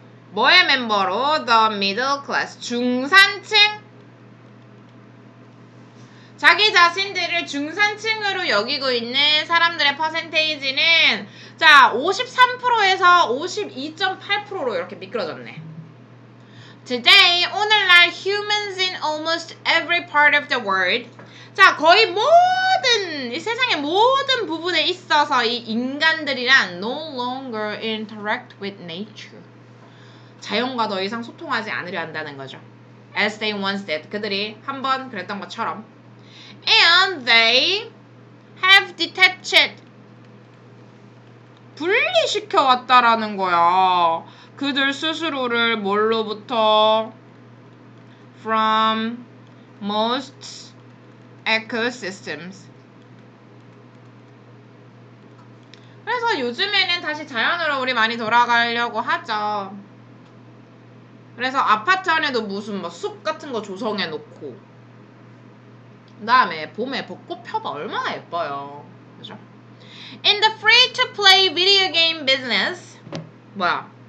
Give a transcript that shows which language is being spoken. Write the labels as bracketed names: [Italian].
[Korean] 뭐의 멤버로? [English] The middle class. [Korean] 중산층? 자기 자신들을 중산층으로 여기고 있는 사람들의 퍼센테이지는 자, 53%에서 52.8%로 이렇게 미끄러졌네. [English] Today, [Korean] 오늘날 [English] humans in almost every part of the world. [Korean] 자, 거의 모든, 이 세상의 모든 부분에 있어서 이 인간들이란 [English] no longer interact with nature. [Korean] 자연과 더 이상 소통하지 않으려 한다는 거죠. [English] As they once did. [Korean] 그들이 한번 그랬던 것처럼. [English] And they have detached. [Korean] 분리시켜 왔다라는 거야. 그들 스스로를 뭘로부터? [English] From most ecosystems. [Korean] 그래서 요즘에는 다시 자연으로 우리 많이 돌아가려고 하죠. 그래서 아파트 안에도 무슨 뭐 숲 같은 거 조성해 놓고 그 다음에 봄에 벚꽃 펴봐 얼마나 예뻐요. 그죠? [English] In the free-to-play video game business [Korean] 뭐야?